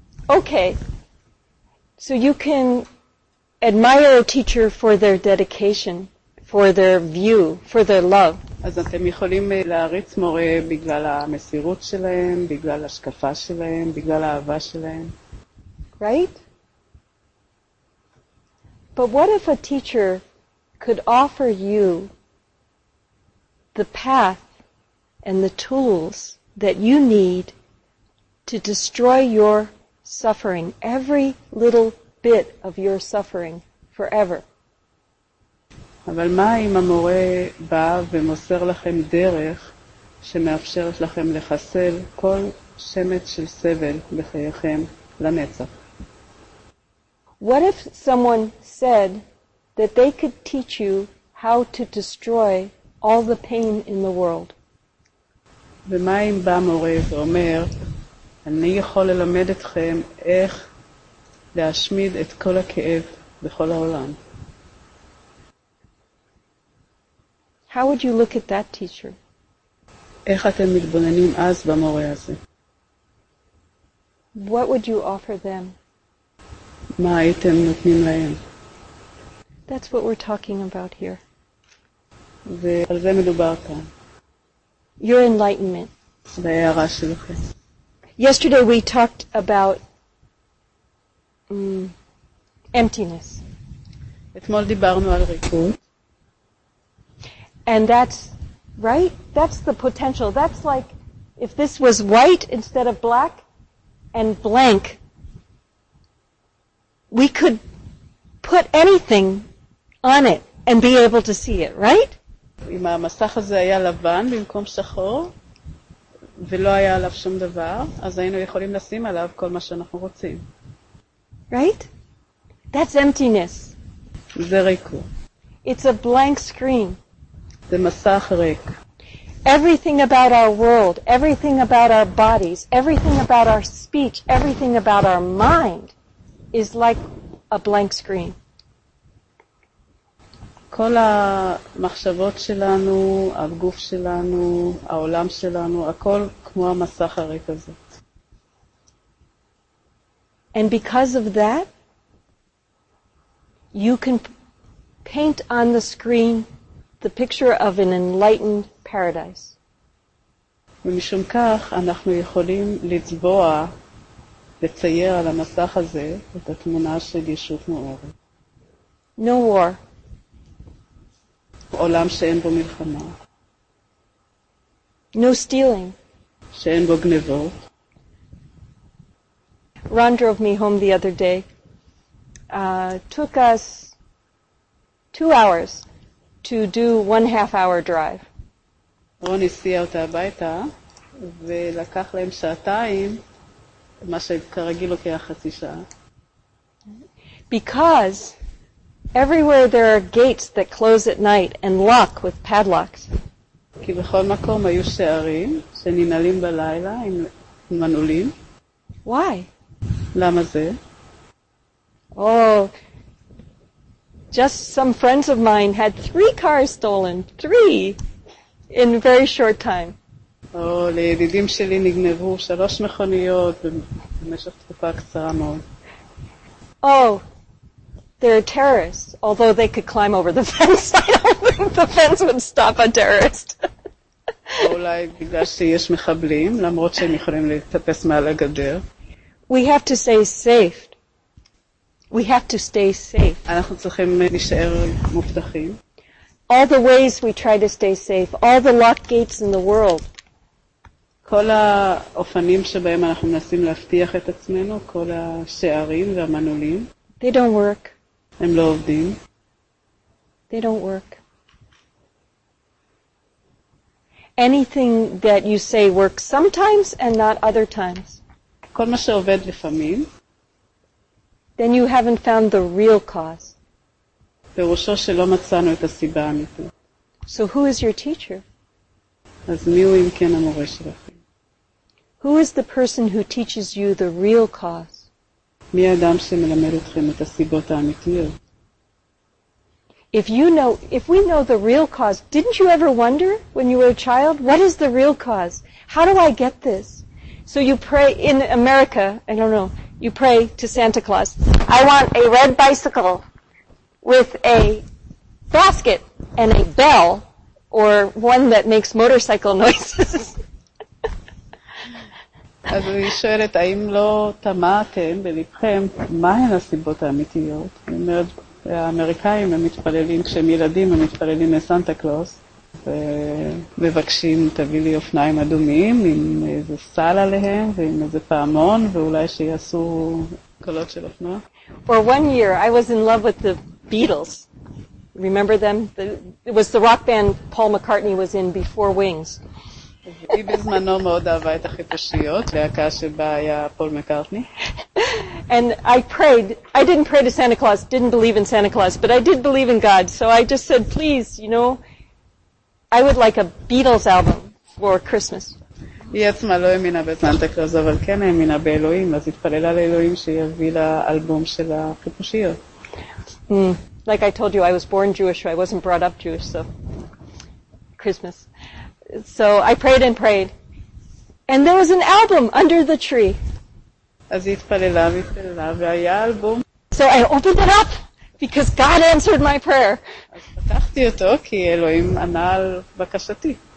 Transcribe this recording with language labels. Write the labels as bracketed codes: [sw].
[en] Okay, so you can admire a teacher for their dedication, for their view, for their love. [he] אז אתם יכולים להריץ מורה בגלל המסירות שלהם, בגלל השקפה שלהם, בגלל האהבה שלהם. [en] Right? But what if a teacher could offer you the path and the tools that you need to destroy your suffering, every little bit of your suffering forever? [he] אבל מה אם המורה בא ומוסר לכם דרך שמאפשרת לכם לחסל כל שמץ של סבל בחייכם לנצח? [en] What if someone said that they could teach you how to destroy all the pain in the world? [he] ומה אם בא מורה ואומר, אני יכול ללמד אתכם איך להשמיד את כל הכאב בכל העולם? [en] How would you look at that teacher? [he] איך אתם מתבוננים אז במורה הזה? [en] What would you offer them? [he] מה הייתם נותנים להם? [en] That's what we're talking about here. [he] ועל זה מדובר כאן. [en] Your enlightenment. [he] וההארה שלכם. [en] Yesterday we talked about emptiness. [he] אתמול דיברנו על ריקות. [en] And that's right, that's the potential, that's like if this was white instead of black and blank, we could put anything on it and be able to see it, right? [he] אם המסך הזה היה לבן במקום שחור ולא היה עליו שום דבר, אז היינו יכולים לשים עליו כל מה שאנחנו רוצים, [en] right? That's emptiness. [he] זה ריקו. [en] It's a blank screen. [he] זה מסך ריק. [en] Everything about our world, everything about our bodies, everything about our speech, everything about our mind is like a blank screen. [he] כל המחשבות שלנו, הגוף שלנו, העולם שלנו, הכל כמו המסך הריק הזה. [en] And because of that, you can paint on the screen the picture of an enlightened paradise. [he] ומשום כך אנחנו יכולים לצבוע, לצייר על המסך הזה את התמונה של ישות מאורת. [en] No war. [he] עולם שאין בו מלחמה. [en] No stealing. [he] שאין בו גניבות. [en] Ron drove me home the other day. Took us 2 hours. To do 1.5 hour drive. [he] רוני סיע אותה הביתה, ולקח להם שעתיים, מה שכרגיל לוקח חצי שעה. [en] Because everywhere there are gates that close at night and lock with padlocks. [he] כי בכל מקום היו שערים שננעלים בלילה עם מנעולים. [en] Why? [he] למה זה? [en] Oh, just some friends of mine had 3 cars stolen, 3 in a very short time. [he] Oh, לידידים שלי נגנבו 3 מכוניות במשך תקופה קצרה מאוד. [en] Oh, there are terrorists, although they could climb over the fence. I don't think the fence would stop a terrorist. [he] אולי בגלל שיש מחבלים, למרות שהם יכולים להתפס מעל הגדר. [en] We have to stay safe. We have to stay safe. [he] אנחנו צריכים להישאר מובטחים. [en] all the ways we try to stay safe, all the locked gates in the world. [he] כל האופנים שבהם אנחנו מנסים להבטיח את עצמנו, כל השערים והמנעולים. [en] They don't work. [he] הם לא עובדים. [en] They don't work. Anything that you say works sometimes and not other times. [he] כל מה שעובד לפעמים. [en] Then you haven't found the real cause. [he] פירושו שלא מצאנו את הסיבה האמיתית. [en] So who is your teacher? [he] אז מי הוא אם כן המורה שלכם? [en] Who is the person who teaches you the real cause? [he] מי האדם שמלמד אתכם את הסיבות האמיתיות? [en] If we know the real cause, didn't you ever wonder when you were a child, what is the real cause? How do I get this? So you pray in America, I don't know, you pray to Santa Claus, I want a red bicycle with a basket and a bell, or one that makes motorcycle noises. [he] אז היא שואלת, האם לא תמעתם בלבכם מהן הסיבות האמיתיות? היא אומרת, האמריקאים הם מתפללים, כשהם ילדים הם מתפללים לסנטה קלוס, ומבקשים, תביא לי אופניים אדומים עם איזה סל עליהם ועם איזה פעמון, ואולי שיעשו קולות של אופנוע. [en] For one year, I was in love with the Beatles. Remember them? It was the rock band Paul McCartney was in before Wings. [he] היא בזמנו מאוד אהבה את החיפושיות, להקה שבה היה פול מקארטני. [en] And I prayed, I didn't pray to Santa Claus, didn't believe in Santa Claus, but I did believe in God, so I just said, please, you know, I would like a Beatles album for Christmas. [he] היא עצמה לא האמינה בסנטה קלוס, אבל כן האמינה באלוהים, אז התפללה לאלוהים שיביא לה אלבום של החיפושיות. [en] Like I told you, I was born Jewish, I wasn't brought up Jewish, so Christmas. So I prayed and prayed. And there was an album under the tree. [he] אז התפללה והתפללה והיה אלבום. [en] So I opened it up because God answered my prayer. [he] אז פתחתי אותו כי אלוהים ענה על בקשתי.